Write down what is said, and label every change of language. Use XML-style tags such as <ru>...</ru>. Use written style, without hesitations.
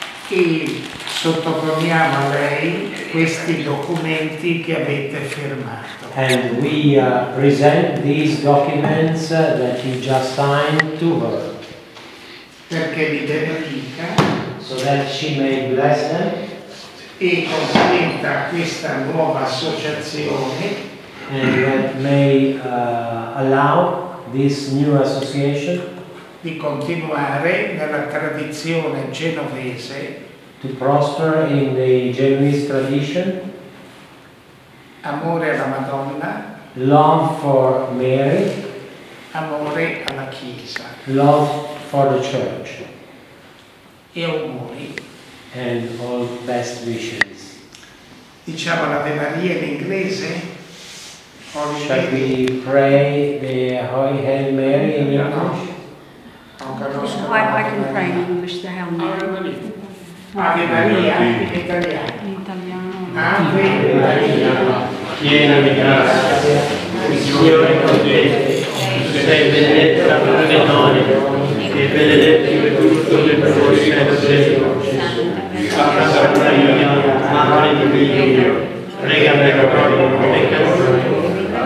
<it>E sottoponiamo a lei questi documenti che avete firmato.</it> <en>And we present these documents that you just signed to her.</en> <it>Perché li benedica,</it> <en>so that she may bless them,</en> <it>e consenta questa nuova associazione,</it> <en>and that may allow this new association</en> <it>di continuare nella tradizione genovese,</it> <en>to prosper in the Genoese tradition,</en> <it>amore alla Madonna,</it> <en>love for Mary,</en> <it>amore alla Chiesa,</it> <en>love for the church.</en> <it>E auguri.</it> <en>And all best wishes.</en> <it>Diciamo l'Ave Maria in inglese?</it> <en>Shall we pray the Holy Hail Mary in English? I can pray in English the Hail Mary.</en> <it>Ave Maria, in italiano. Ave Maria, piena di grazia, il Signore è con te. Tu sei benedetta fra le donne, e benedetto il frutto del tuo seno, Gesù. Santa Maria, Madre di Dio, prega per noi peccatori.</it>